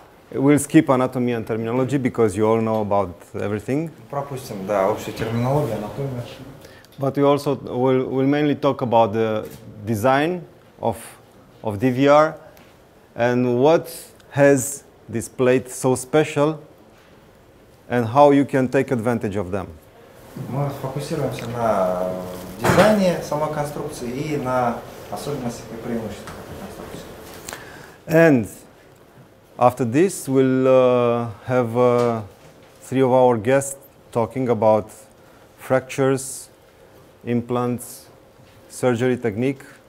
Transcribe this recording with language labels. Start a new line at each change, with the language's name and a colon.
English: We'll skip anatomy and terminology because you all know about everything.
Russian: Пропустим, да, общую терминологию, анатомию.
English: But we'll mainly talk about the design of DVR and what has this plate so special and how you can take advantage of them.
Russian: Мы фокусируемся на дизайне самой конструкции и на особенностях и преимуществах конструкции.
English: And after this, we'll have three of our guests talking about fractures, implants, surgery technique.